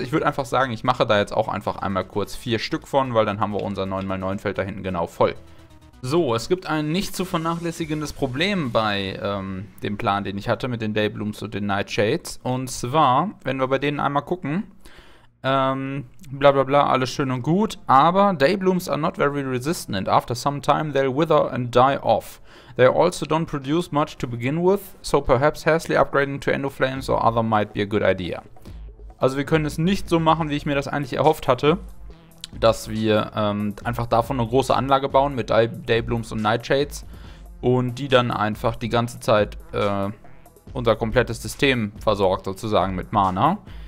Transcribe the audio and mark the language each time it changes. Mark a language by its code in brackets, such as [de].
[de] Ich würde einfach sagen, ich mache da jetzt auch einfach einmal kurz 4 Stück von, weil dann haben wir unser 9x9 Feld da hinten genau voll. So, es gibt ein nicht zu vernachlässigendes Problem bei dem Plan, den ich hatte mit den Daybloom und den Nightshades. Und zwar, wenn wir bei denen einmal gucken, alles schön und gut, aber [en] Daybloom are not very resistant. After some time they'll wither and die off. They also don't produce much to begin with, so perhaps hastily upgrading to Endoflames or other might be a good idea. [de] Also wir können es nicht so machen, wie ich mir das eigentlich erhofft hatte, dass wir einfach davon eine große Anlage bauen mit Daybloom und Nightshades und die dann einfach die ganze Zeit unser komplettes System versorgt sozusagen mit Mana.